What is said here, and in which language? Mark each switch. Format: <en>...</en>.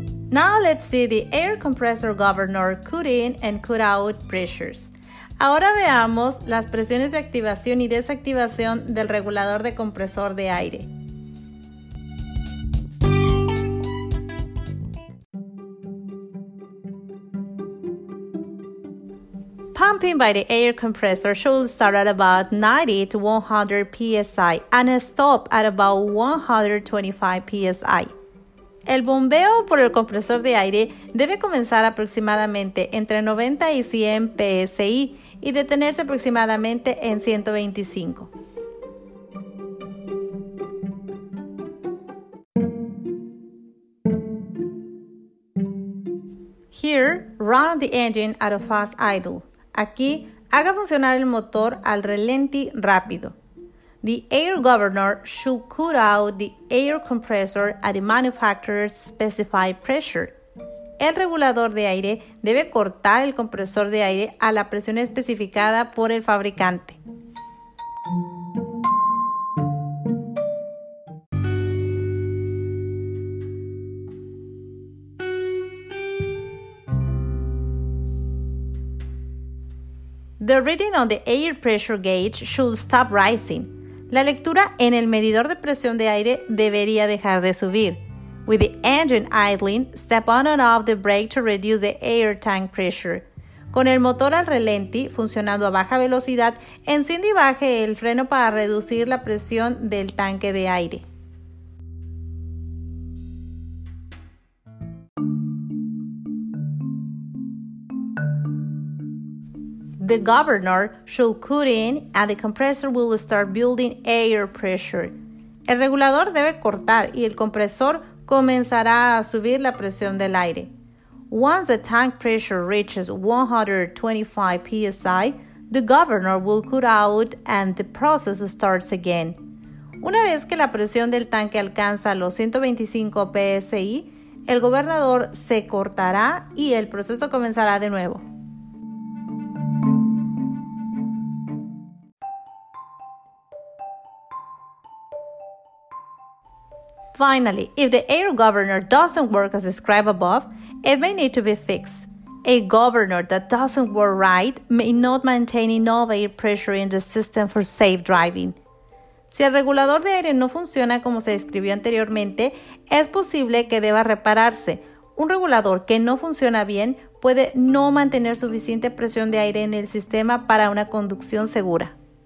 <en>Now let's see the air compressor governor could in and could out pressures.</en> <es>Ahora veamos las presiones de activación y desactivación del regulador de compresor de aire.</es> <en>Pumping by the air compressor should start at about 90 to 100 psi and stop at about 125 psi.</en> <es>El bombeo por el compresor de aire debe comenzar aproximadamente entre 90 y 100 psi y detenerse aproximadamente en 125.</es> <en>Here, run the engine at a fast idle.</en> <es>Aquí, haga funcionar el motor al ralentí rápido.</es> <en>The air governor should cut out the air compressor at the manufacturer's specified pressure.</en> <es>El regulador de aire debe cortar el compresor de aire a la presión especificada por el fabricante.</es> <en>The reading on the air pressure gauge should stop rising.</en> <es>La lectura en el medidor de presión de aire debería dejar de subir.</es> <en>With the engine idling, step on and off the brake to reduce the air tank pressure.</en> <es>Con el motor al ralenti, funcionando a baja velocidad, enciende y baje el freno para reducir la presión del tanque de aire.</es> <en>The governor should cut in and the compressor will start building air pressure.</en> <es>El regulador debe cortar y el compresor comenzará a subir la presión del aire.</es> <en>Once the tank pressure reaches 125 psi, the governor will cut out and the process starts again.</en> <es>Una vez que la presión del tanque alcanza los 125 psi, el gobernador se cortará y el proceso comenzará de nuevo.</es> <en>Finally, if the air governor doesn't work as described above, it may need to be fixed. A governor that doesn't work right may not maintain enough air pressure in the system for safe driving.</en> <es>Si el regulador de aire no funciona como se describió anteriormente, es posible que deba repararse. Un regulador que no funciona bien puede no mantener suficiente presión de aire en el sistema para una conducción segura.</es>